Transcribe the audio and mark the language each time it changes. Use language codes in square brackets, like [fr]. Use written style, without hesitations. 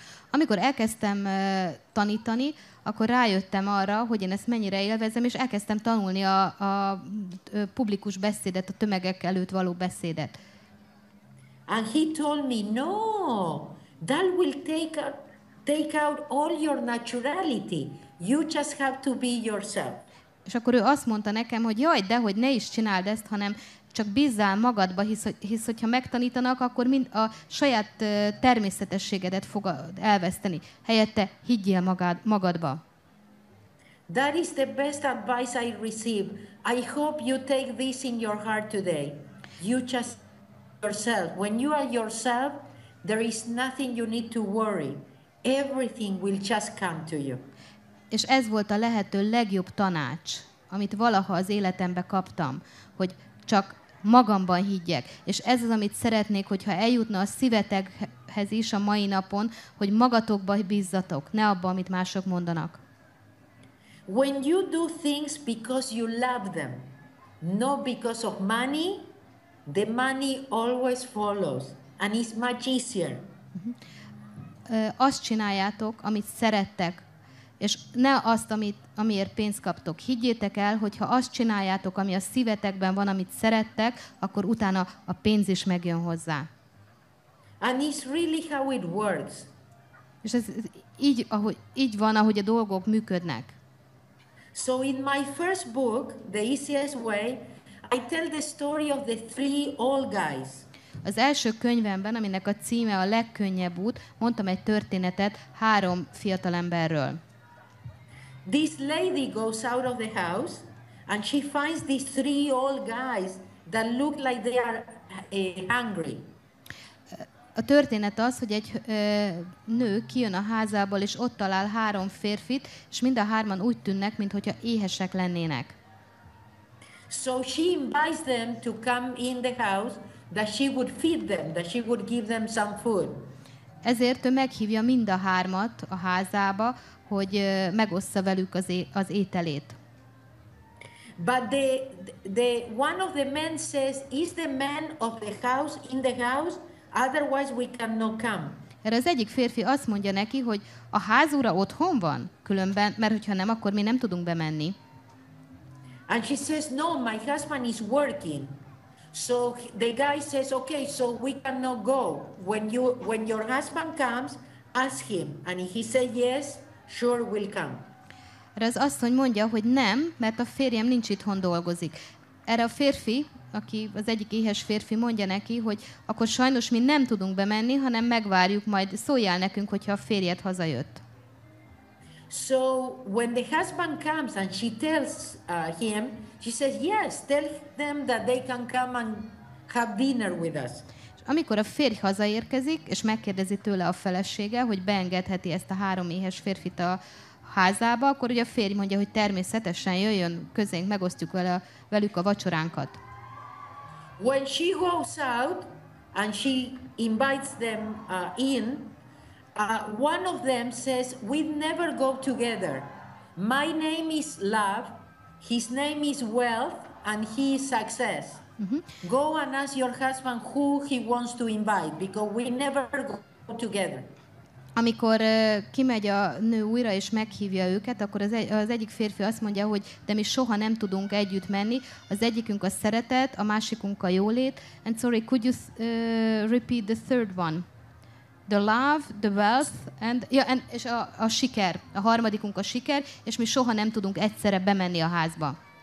[hu] Amikor elkezdtem tanítani, akkor rájöttem arra, hogy én ezt mennyire élvezem, és elkezdtem tanulni a publikus beszédet, a tömegek előtt való beszédet. [en] And he told me, no, that will take out all your naturality. You just have to be yourself. [hu] És akkor ő azt mondta nekem, hogy jaj, de hogy ne is csináld ezt, hanem csak bízzál magadba, hisz hogyha megtanítanak, akkor mind a saját természetességedet fogod elveszteni. Helyette higgyél magadba. [en] That is the best advice I receive. I hope you take this in your heart today. You just yourself. When you are yourself, there is nothing you need to worry. Everything will just come to you. [hu] És ez volt a lehető legjobb tanács, amit valaha az életembe kaptam, hogy csak magamban higgyek. És ez az, amit szeretnék, hogyha eljutna a szívetekhez is a mai napon, hogy magatokba bízzatok, ne abba, amit mások mondanak. [en] When you do things because you love them, not because of money, the money always follows, and it's much easier. [hu] Azt csináljátok, amit szerettek, és ne azt, amiért pénzt kaptok. Higgyétek el, hogyha azt csináljátok, ami a szívetekben van, amit szerettek, akkor utána a pénz is megjön hozzá. [en] And it's really how it works. [hu] És ez így van, ahogy a dolgok működnek. [en] So in my first book, The Easiest Way, I tell the story of the three old guys. [hu] Az első könyvemben, aminek a címe a legkönnyebb út, mondtam egy történetet három fiatalemberről. [en] This lady goes out of the house and she finds these three old guys that look like they are hungry. [hu] A történet az, hogy egy nő kijön a házából, és ott talál három férfit, és mind a hárman úgy tűnnek, mintha éhesek lennének. [en] So she invites them to come in the house that she would feed them, that she would give them some food. [hu] Ezért ő meghívja mind a hármat a házába, hogy megossza velük az ételét. [en] But the one of the men says, is the man of the house in the house? Otherwise we cannot come. [hu] Erre az egyik férfi azt mondja neki, hogy a házúra otthon van, különben, mert hogyha nem, akkor mi nem tudunk bemenni. [en] And she says, no, my husband is working. So the guy says, okay, so we cannot go. When your husband comes, ask him. And if he says yes, sure we'll come. [hu] Erre az asszony mondja, hogy nem, mert a férjem nincs itthon, dolgozik. Erre a férfi, aki az egyik éhes férfi, mondja neki, hogy akkor sajnos mi nem tudunk bemenni, hanem megvárjuk, majd szóljál nekünk, hogyha a férjed hazajött. [en] So when the husband comes and she tells him, she says, yes, tell them that they can come and have dinner with us. [hu] És amikor a férj hazaérkezik, és megkérdezi tőle a felesége, hogy beengedheti ezt a három éhes férfit a házába, akkor ugye a férj mondja, hogy természetesen jöjjön közénk, megosztjuk velük a vacsoránkat. [en] When she goes out and she invites them in, one of them says, we'd never go together. My name is love, his name is wealth, and he is success. Mm-hmm. Go and ask your husband who he wants to invite, because we never go together. [hu] Amikor kimegy a nő újra és meghívja őket, akkor az egyik férfi azt mondja, hogy de mi soha nem tudunk együtt menni. Az egyikünk a szeretet, a másikunk a jólét. [en] And sorry, could you repeat the third one? The love, the wealth, and [hu] a siker. A harmadikunk a siker, és mi soha nem tudunk egyszerre bemenni a házba.